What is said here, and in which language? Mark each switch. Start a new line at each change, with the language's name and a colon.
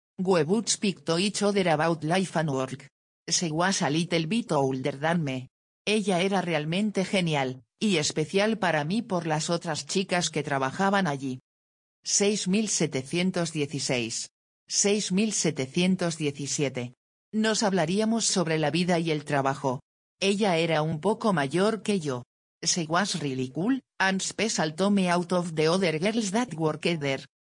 English: We would speak to each other about life and work. She was a little bit older than me.
Spanish: Ella era realmente genial, y especial para mí por las otras chicas que trabajaban allí.
English: 6716. 6717.
Spanish: Nos hablaríamos sobre la vida y el trabajo. Ella era un poco mayor que yo.
English: She was really cool, and special to me out of the other girls that worked there.